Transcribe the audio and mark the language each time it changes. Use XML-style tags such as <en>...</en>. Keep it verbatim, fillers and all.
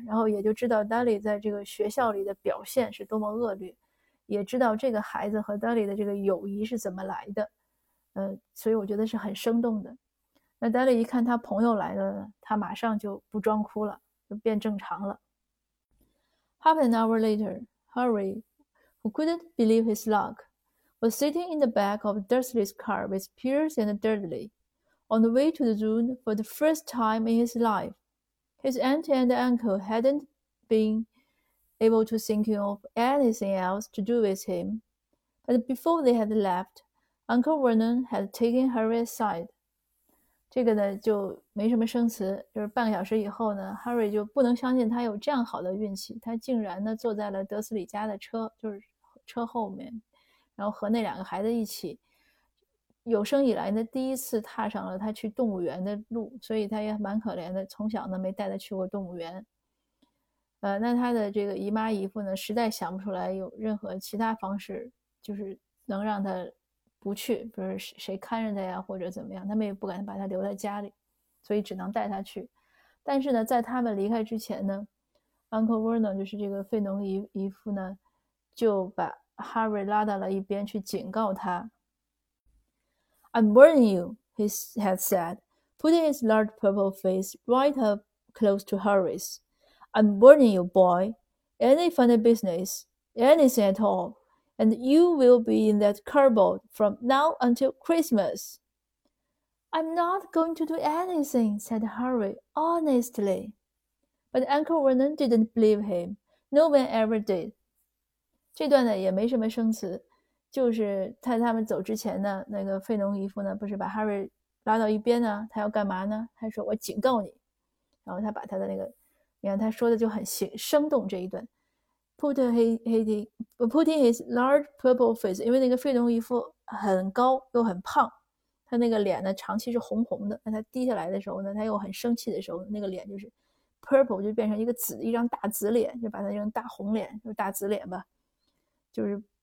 <zh>然后也就知道丹利在这个学校里的表现是多么恶劣，也知道这个孩子和丹利的这个友谊是怎么来的，呃，所以我觉得是很生动的。那丹利一看他朋友来了，他马上就不装哭了，就变正常了。</zh> <en>Half an hour later, Harry, who couldn't believe his luck, was sitting in the back of Dursley's car with Pierce and Dudley. On the way to the zoo for the first time in his life, his aunt and uncle hadn't been able to think of anything else to do with him. But before they had left, Uncle Vernon had taken Harry aside.</en> <zh>这个呢就没什么生词，就是半个小时以后呢 ，Harry 就不能相信他有这样好的运气，他竟然呢坐在了德斯里家的车，就是车后面，然后和那两个孩子一起。有生以来呢，第一次踏上了他去动物园的路，所以他也蛮可怜的，从小呢没带他去过动物园。呃，那他的这个姨妈姨父呢，实在想不出来有任何其他方式，就是能让他不去，比如谁看着他呀，或者怎么样，他们也不敢把他留在家里，所以只能带他去。但是呢，在他们离开之前呢 ，Uncle Vernon 就是这个费农姨姨父呢，就把 Harry 拉到了一边去警告他。</zh> <en>I'm warning you, he had said, putting his large purple face right up close to Harry's. I'm warning you, boy. Any funny business, anything at all, and you will be in that cupboard from now until Christmas. I'm not going to do anything, said Harry, honestly. But Uncle Vernon didn't believe him. No one ever did.</en> <zh>这段呢也没什么生词。就是在他们走之前呢，那个费农姨父呢，不是把 Harry 拉到一边呢，他要干嘛呢？他说：“我警告你。” 然后他把他的那个，你看他说的就很生动这一段 ，</zh> <en>put his his putting his large purple face，</en> <zh>因为那个费农姨父很高又很胖，他那个脸呢长期是红红的，那他低下来的时候呢，他又很生气的时候，那个脸就是 purple 就变成一个紫，一张大紫脸，就把它用大红脸，就是大紫脸吧，就是。</zh>